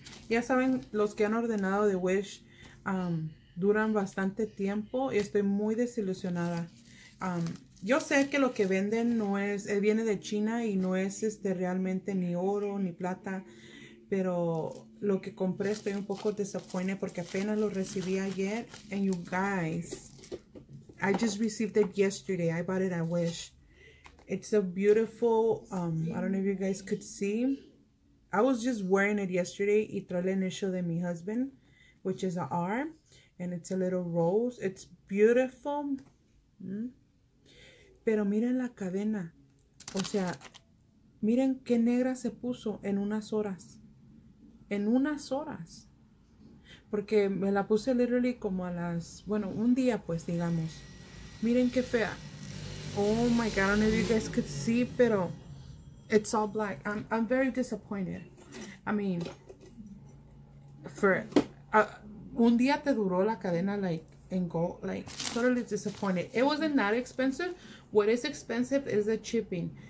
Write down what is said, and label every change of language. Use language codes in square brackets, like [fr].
[es] Ya saben, los que han ordenado de Wish duran bastante tiempo y estoy muy desilusionada. Yo sé que lo que venden no es, viene de China y no es realmente ni oro ni plata. Pero lo que compré estoy un poco disappointed porque apenas lo recibí ayer. [en] And you guys, I just received it yesterday. I bought it at Wish. It's a beautiful, I don't know if you guys could see. I was just wearing it yesterday. [es] Y traje el anillo de mi [en] husband, which is an R. And it's a little rose. It's beautiful. [es] Pero miren la cadena. O sea, miren qué negra se puso en unas horas. En unas horas. Porque me la puse literally como a las, bueno, un día pues, digamos. Miren qué fea. [en] Oh my God, I don't know if you guys could see, pero it's all black. I'm very disappointed. I mean, for [es] un día te duró la cadena, [en] like, en gold, like, totally disappointed. It wasn't that expensive. What is expensive is the shipping.